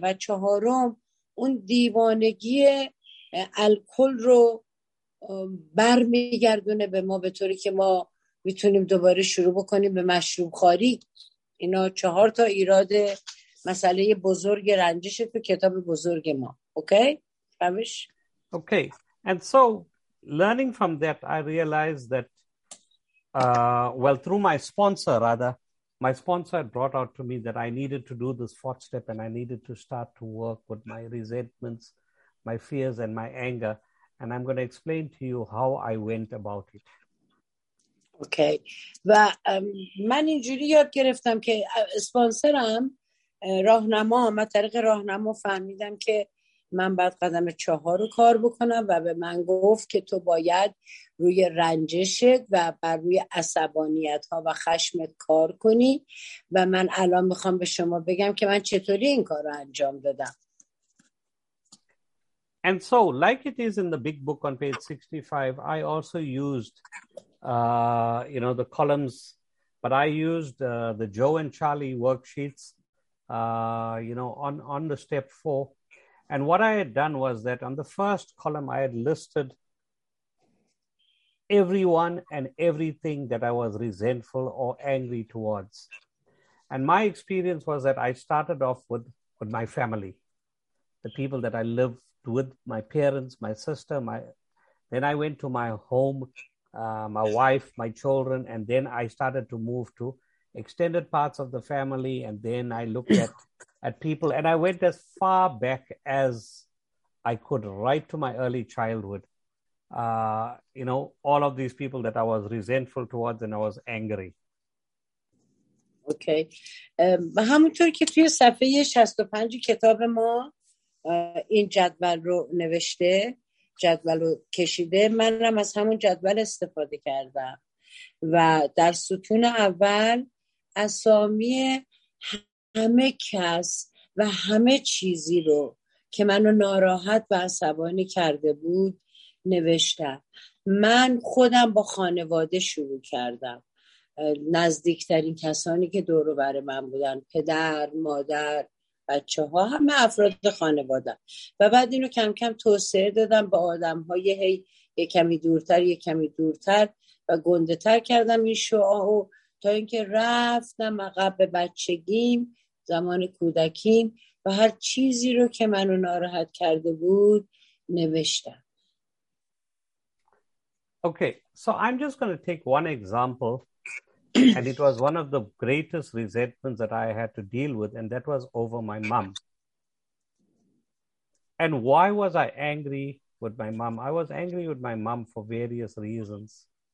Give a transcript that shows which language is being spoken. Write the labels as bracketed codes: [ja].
[fa] و چهارم اون دیوانگی الکل رو بر میگردونه به ما به طوری که ما میتونیم دوباره شروع بکنیم به مشروب خاری. اینا چهار تا ایراد مسئله بزرگ رنجش تو کتاب بزرگ ما. اوکی؟ فهمش؟ [en] Okay, and so learning from that, I realized that, through my sponsor had brought out to me that I needed to do this fourth step and I needed to start to work with my resentments, my fears and my anger. And I'm going to explain to you how I went about it. [fa] Okay, من اینجوری یاد گرفتم که سپانسرم راهنما، من طریق راهنما فهمیدم که من باید قدم چهار رو کار بکنم و به من گفت که تو باید روی رنجشت و بر روی عصبانیت ها و خشمت کار کنی و من الان میخوام به شما بگم که من چطوری این کار رو انجام دادم. [en] And so, like it is in the big book on page 65, I also used the columns, but I used the Joe and Charlie worksheets on the step four. And what I had done was that on the first column, I had listed everyone and everything that I was resentful or angry towards. And my experience was that I started off with my family, the people that I lived with, my parents, my sister. Then I went to my home, my wife, my children, and then I started to move to extended parts of the family. And then I looked at people, and I went as far back as I could, right to my early childhood. All of these people that I was resentful towards and I was angry. Okay. [fa] همونطور که توی صفحه 65 کتاب ما این جدول رو نوشته، جدول رو کشیده، منم از همون جدول استفاده کردم و در ستون اول اسامی همه کس و همه چیزی رو که منو ناراحت و عصبانی کرده بود نوشتم. من خودم با خانواده شروع کردم، نزدیکترین کسانی که دور و بر من بودن، پدر، مادر، بچه ها، همه افراد خانواده، و بعد اینو کم کم توسعه دادم به آدم های یک کمی دورتر و گنده تر کردم این شعاعو، تا اینکه رفتم عقب به بچگیم، زمان کودکیم، و هر چیزی رو که منو ناراحت کرده بود نوشتم. [en] Okay, so I'm just going to take one example, and it was one of the greatest resentments that I had to deal with, and that was over my mom. And why was I angry with my mom? I was angry with my mom for various reasons.